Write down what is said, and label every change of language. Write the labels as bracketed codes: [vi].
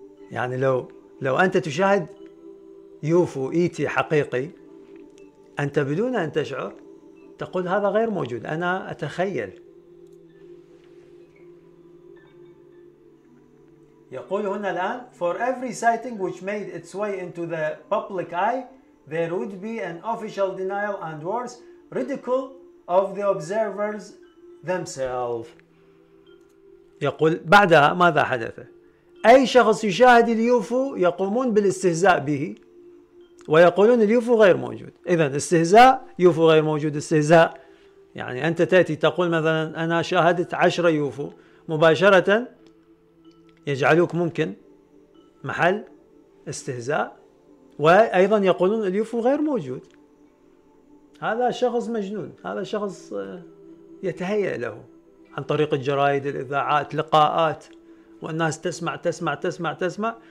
[ar] يعني لو أنت تشاهد يوفو إيتي حقيقي، أنت بدون أن تشعر تقول هذا غير موجود، أنا أتخيل. يقول هنا الآن [en] for every sighting which made its way into the public eye there would be an official denial and worse ridicule of the observers themselves. [ar] يقول بعدها ماذا حدث؟ أي شخص يشاهد اليوفو يقومون بالاستهزاء به ويقولون اليوفو غير موجود. إذن استهزاء، يوفو غير موجود، استهزاء. يعني أنت تأتي تقول مثلا أنا شاهدت 10 يوفو، مباشرة يجعلوك ممكن محل استهزاء، وأيضا يقولون اليوفو غير موجود، هذا شخص مجنون، هذا شخص يتهيأ له عن طريق الجرائد، الإذاعات، لقاءات، والناس تسمع تسمع تسمع تسمع.